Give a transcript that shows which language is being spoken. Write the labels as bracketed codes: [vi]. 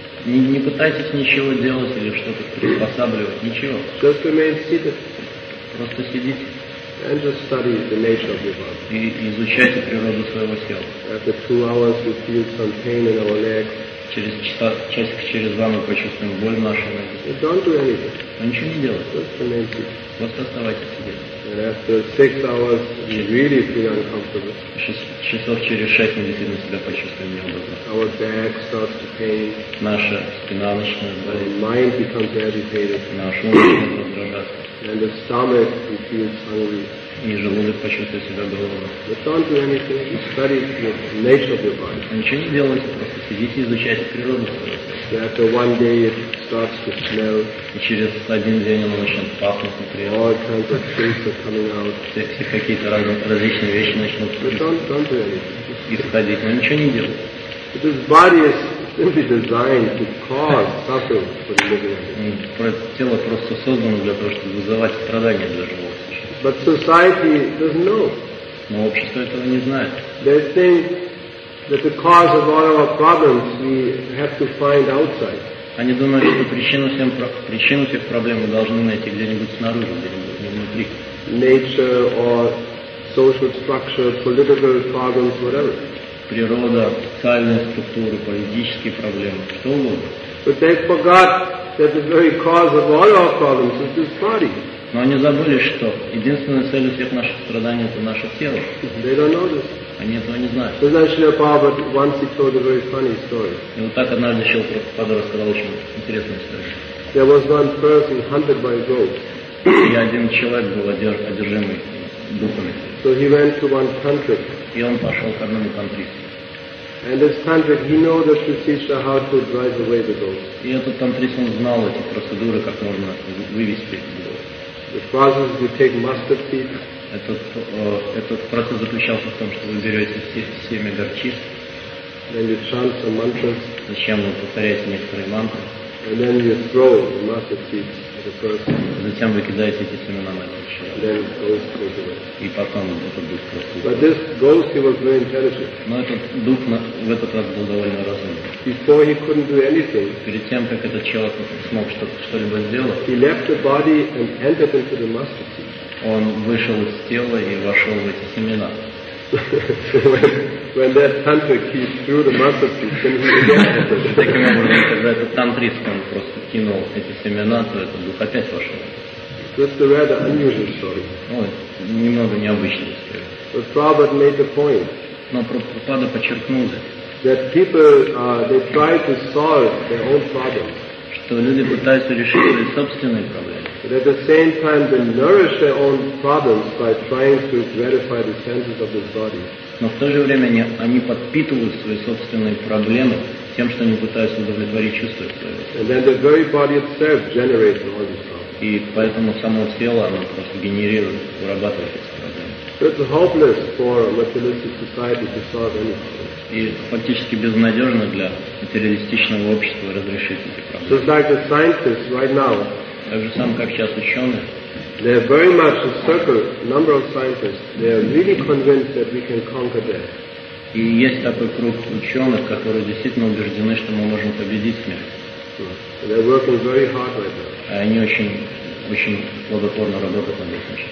[ru] Не пытайтесь ничего делать или что-то приспосабливать, ничего. [en] Just remain seated. [ru] Просто сидите. [en] And just study the nature of your body. [ru] И изучайте природу своего тела. [en] After 2 hours we feel some pain in our leg. [ru] Через два мы почувствуем боль в нашей ноге. [en] Don't do anything. [ru] Но ничего не делать. [en] Just remain seated. [ru] Просто оставайтесь сидеть. [en] And after 6 hours we really feel uncomfortable. [ru] Часов через 6 мы действительно себя почувствуем неудобно. [en] Our back starts to pain. [ru] Наша спина начинает болеть. [en] Our mind becomes agitated. [ru] Наш ум начинает раздражаться. [en] And the stomach, you feel hungry. [ru] И желудок почувствует себя голодным. [en] But don't do anything. You study the nature of your body. [ru] Ничего не делайте, просто сидите, изучайте природу. [en] After one day, it starts to smell. [ru] И через один день оно начнет пахнуть неприятно. [en] All kinds of things are coming out. [ru] Все какие-то различные вещи начнут исходить. [en] Don't do anything. [ru] Исходить, но ничего не делайте. [en] This body is simply designed to cause suffering for the living animal. [ru] Тело просто создано для того, чтобы вызывать страдания для животных. [en] But society doesn't know. [ru] Но общество этого не знает. [en] They think that the cause of all our problems we have to find outside. [ru] Они думают, что причину всех проблем мы должны найти где-нибудь снаружи, где-нибудь не внутри. [en] Nature or social structure, political problems, whatever. [ru] Природа, социальные структуры, политические проблемы, что угодно. [en] But they forgot that the very cause of all our problems is this body. [ru] Но они забыли, что единственная цель всех наших страданий — это наше тело. [en] They don't know this. [ru] Они этого не знают. [en] So then Srila Prabhupada once he told a very funny story. [ru] И вот так однажды Шрила Прабхупада рассказал очень интересную историю. [en] There was one person hunted by a ghost. [ru] И один человек был одержимый духами. [en] So he went to one country. [ru] И он пошел к одному тантристу. [en] And this tantric, he knew the procedure how to drive away the ghost. [ru] И этот тантрист, он знал эти процедуры, как можно вывести ghost. [en] The process is you take mustard seed. [ru] Этот процесс заключался в том, что вы берете семя горчицы. [en] Then you chant some mantras. [ru] Зачем вы повторяете некоторые мантры? [en] And then you throw the mustard seed at the person. [ru] Затем вы кидаете эти семена на этого человека. [en] Then the ghost goes away. [ru] И потом этот дух просто. [en] But this ghost, he was very intelligent. [ru] Но этот дух в этот раз был довольно разумный. [en] Before he couldn't do anything. [ru] Перед тем, как этот человек смог что-либо сделать. [en] He left the body and entered into the mustard seed. [ru] Он вышел из тела и вошел в эти семена. [en] When that tantric he threw the mustard seed, then he again. [ru] Таким образом, когда этот тантрист просто кинул эти семена, то этот дух опять вошел. [en] Just a rather unusual story. [ru] Ой, немного необычная история. [en] But Prabhupada made the point. [ru] Но Прабхупада подчеркнул это. [en] That people they try to solve their own problems. [ru] Что люди пытаются решить свои собственные проблемы. [en] But at the same time, they nourish their own problems by trying to gratify the senses of this body. [ru] Но в то же время они подпитывают свои собственные проблемы тем, что они пытаются удовлетворить чувства своего. [en] And then the very body itself generates all these problems. [ru] И поэтому само тело, оно просто генерирует, вырабатывает эти проблемы. [en] So it's hopeless for a materialistic society to solve any problem. [ru] И фактически безнадежно для материалистичного общества разрешить эти проблемы. [en] Just like the scientists right now. [ru] Так же самое, как сейчас ученые. [en] They are very much a circle, number of scientists. They are really convinced that we can conquer death. [ru] И есть такой круг ученых, которые действительно убеждены, что мы можем победить смерть. [en] They are working very hard right now. [ru] И они очень, очень плодотворно работают над этим.